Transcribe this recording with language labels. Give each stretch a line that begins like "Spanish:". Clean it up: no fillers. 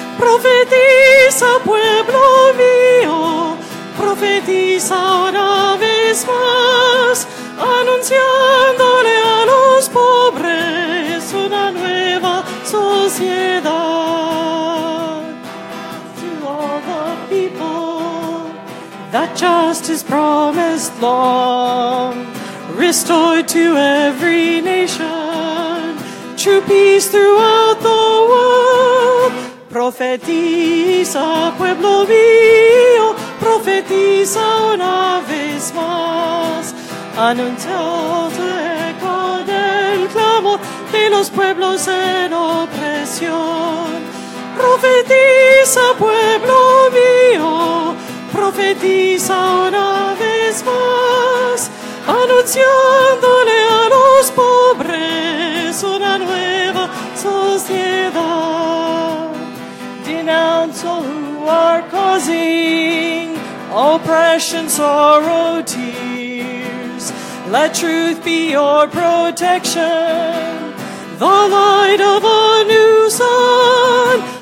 Spanish: Profetiza, pueblo mío, profetiza una vez más, anunciándole a los pobres una nueva sociedad.
English: To all the people, that justice promised long, restored to every nation, true peace throughout the world.
Spanish: Profetiza, pueblo mío, profetiza una vez más, anunciando el eco del clamor de los pueblos en opresión. Profetiza, pueblo mío, profetiza una vez más, anunciándole a los pobres una nueva sociedad.
English: Denounce all who are causing oppression, sorrow, tears. Let truth be your protection, the light of a new sun.